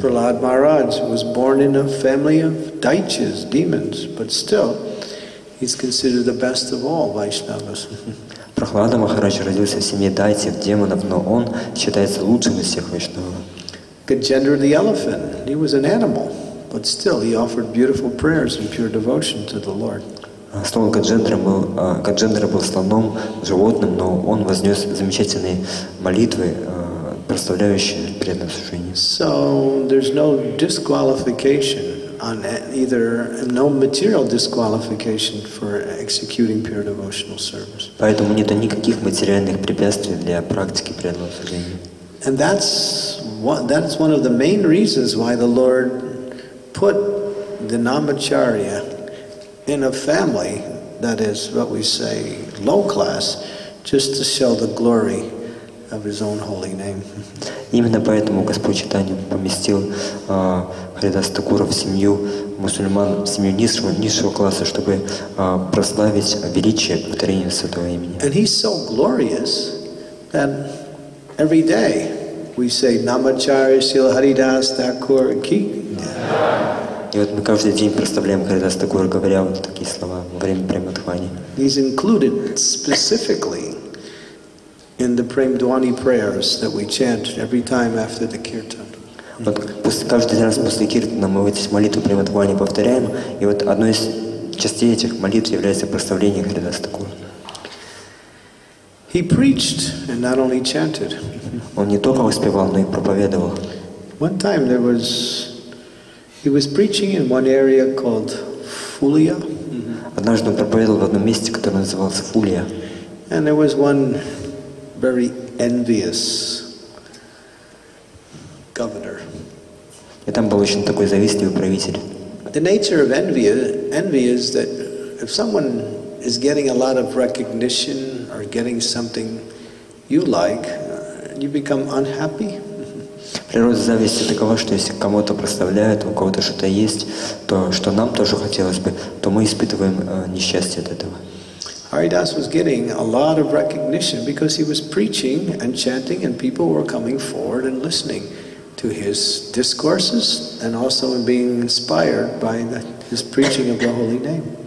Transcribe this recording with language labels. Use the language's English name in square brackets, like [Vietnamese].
[English] Prahlad Maharaj was born in a family of daityas, demons, but still, he's considered the best of all Vaishnavas. [Russian] Прохлада Махарадж родился в семье дайтьев, демонов, но он считается лучшим из всех вайшнавов. [English] Gajendra the elephant, he was an animal, but still he offered beautiful prayers and pure devotion to the Lord. [Russian] Слон Gajendra был слоном, животным, но он вознес замечательные молитвы, представляющие преданное служение. [English] So there's no disqualification on either, no material disqualification for executing pure devotional service. [Russian] Поэтому нет никаких материальных препятствий для практики преданного служения. [English] And that's one of the main reasons why the Lord put the Namacharya in a family, that is what we say, low class, just to show the glory of his own holy name. [Russian] Именно поэтому Господь Чайтанья поместил Харидаса Тхакура в семью мусульман, в семью низшего класса, чтобы прославить величие повторения Святого Имени. [English] And he's so glorious that every day we say Namacharya Srila Haridasa Thakura Ki. [Russian] И вот мы каждый день прославляем Харидаса Тхакура, говоря вот такие слова во время Прем-Дхвани. [English] He's included specifically in the Premdwani prayers that we chant every time after the kirtan. [Russian] Вот каждый раз после киртана мы эти молитвы Премдвани повторяем, и вот одной из частей этих молитв является прославление Харидаса Тхакура. [English] He preached and not only chanted. [Russian] Он не только воспевал, но и проповедовал. [English] One time he was preaching in one area called Fulia. [Russian] Однажды он проповедовал в одном месте, которое называлось Фулия. [English] And there was one very envious governor. [Russian] И там был очень такой завистливый правитель. [English] The nature of envy is that if someone is getting a lot of recognition or getting something you like, you become unhappy. [Russian] Природа зависти такова, что если кому-то прославляют, у кого-то что-то есть, то что нам тоже хотелось бы, то мы испытываем несчастье от этого. [English] Haridas was getting a lot of recognition because he was preaching and chanting and people were coming forward and listening to his discourses and also being inspired by his preaching of the holy name.